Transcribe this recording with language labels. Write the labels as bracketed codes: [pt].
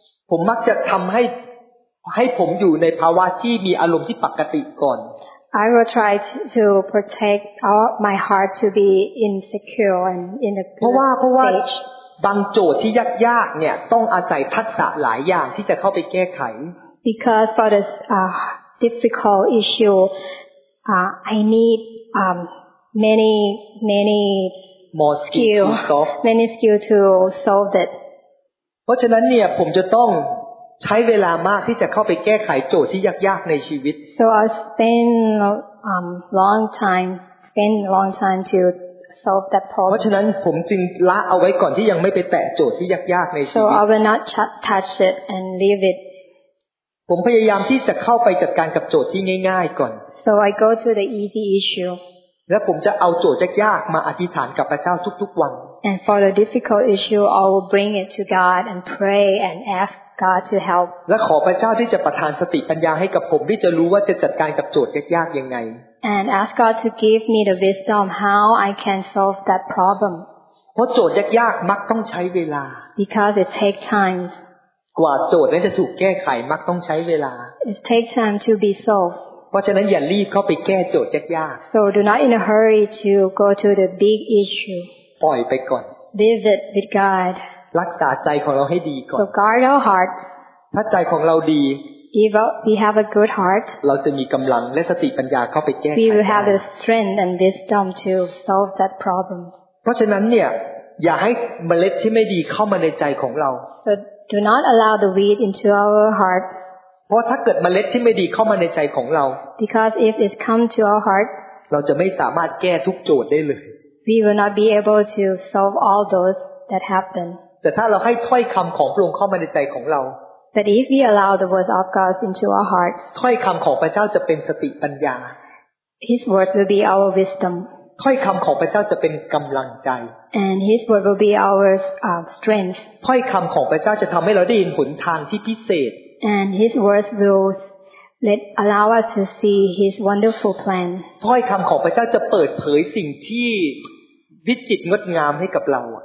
[th] ผมมักจะทำให้ผมอยู่ในภาวะที่มีอารมณ์ที่ปกติก่อน [en] I will try to protect my heart to be insecure and in a good stage. [th] เพราะว่าบางโจทย์ที่ยากๆเนี่ยต้องอาศัยทักษะหลายอย่างที่จะเข้าไปแก้ไข [en] Because for the difficult issue, I need many. More skill to solve that. [th] เพราะฉะนั้นเนี่ยผมจะต้องใช้เวลามากที่จะเข้าไปแก้ไขโจทย์ที่ยากๆในชีวิต [en] So I spend long time to solve that problem. [th] เพราะฉะนั้นผมจึงละเอาไว้ก่อนที่ยังไม่ไปแตะโจทย์ที่ยากๆในชี ว [en] So I will not touch it and leave it. [th] ผมพยายามที่จะเข้าไปจัดการกับโจทย์ที่ง่ายๆก่อน [en] So I go to the easy issue. [th] และผมจะเอาโจทย์ยากๆมาอธิษฐานกับพระเจ้าทุกๆวัน [en] And for the difficult issue I will bring it to God and pray and ask God to help [th] และขอพระเจ้าที่จะประทานสติปัญญาให้กับผมที่จะรู้ว่าจะจัดการกับโจทย์ยากๆยังไง [en] And ask God to give me the wisdom how I can solve that problem [th] เพราะโจทย์ยากๆมักต้องใช้เวลา [en] Because it takes time [th] กว่าโจทย์นั้นจะถูกแก้ไขมักต้องใช้เวลา [en] It takes time to be solved [th] เพราะฉะนั้นอย่ารีบเข้าไปแก้โจทย์ยาก [en] ๆ So do not in a hurry to go to the big issue [th] ปล่อยไปก่อน [en] Leave it with God [th] รักษาใจของเราให้ดีก่อน [en] So guard our heart [th] ถ้าใจของเราดี [en] If we have a good heart [th] เราจะมีกำลังและสติปัญญาเข้าไปแก้ [en] We will have the strength and wisdom to solve that problem [th] เพราะฉะนั้นเนี่ย อย่าให้เมล็ดที่ไม่ดีเข้ามาในใจของเรา [en] Do not allow the weed into our heart [th] เพราะถ้าเกิดเมล็ดที่ไม่ดีเข้ามาในใจของเรา [en] Because if it come to our heart [th] เราจะไม่สามารถแก้ทุกโจทย์ได้เลย [en] We will not be able to solve all those that happen [th] แต่ถ้าเราให้ถ้อยคำของพระองค์เข้ามาในใจของเรา [en] But if we allow the words of God into our hearts, [th] ถ้อยคำของพระเจ้าจะเป็นสติปัญญา [en] His words will be our wisdom. [th] ถ้อยคำของพระเจ้าจะเป็นกำลังใจ [en] And His word will be our strength. [th] ถ้อยคำของพระเจ้าจะทำให้เราได้เห็นหนทางที่พิเศษ [en] And His words will allow us to see His wonderful plan. [th] ถ้อยคำของพระเจ้าจะเปิดเผยสิ่งที่วิจิตรงดงามให้กับเรา